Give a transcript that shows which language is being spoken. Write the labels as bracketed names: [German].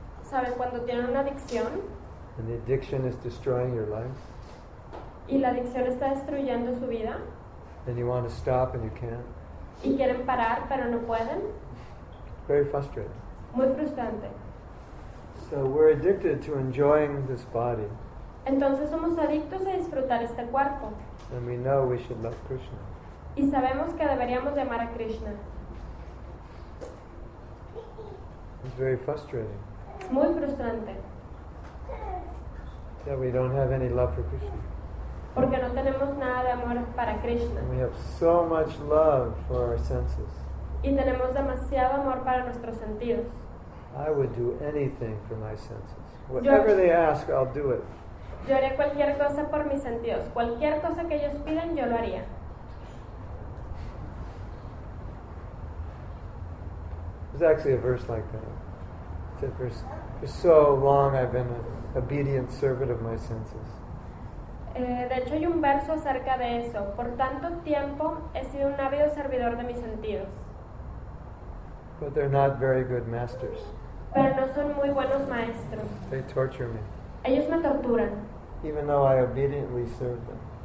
[Spanish] ¿Sabes cuando tienes una adicción? [English] And the addiction is destroying your life. [Spanish] Y la adicción está destruyendo su vida. [English] And you want to stop and you can't. [Spanish] Y quieren parar pero no pueden. [English] Very frustrating. [Spanish] Muy frustrante. [English] So we're addicted to enjoying this body. [Spanish] Entonces somos adictos a disfrutar este cuerpo. [English] And we know we should love Krishna. [Spanish] Y sabemos que deberíamos de amar a Krishna. [English] It's very frustrating. [Spanish] Es muy frustrante. [English] That we don't have any love for Krishna. [Spanish] Porque no tenemos nada de amor para Krishna. [English] And we have so much love for our senses. [Spanish] Y tenemos demasiado amor para nuestros sentidos. [English] I would do anything for my senses. Whatever they ask, I'll do it. [Spanish] Yo haría cualquier cosa por mis sentidos. Cualquier cosa que ellos pidan, yo lo haría. [English] There's actually a verse like that. It's a verse. For so long I've been an obedient servant of my senses. [Spanish] De hecho hay un verso acerca de eso. Por tanto tiempo he sido un ávido servidor de mis sentidos. [English] But they're not very good masters. [Spanish] Pero no son muy buenos maestros. [English] They torture me. [Spanish] Ellos me torturan. [English] Even though I obediently serve them.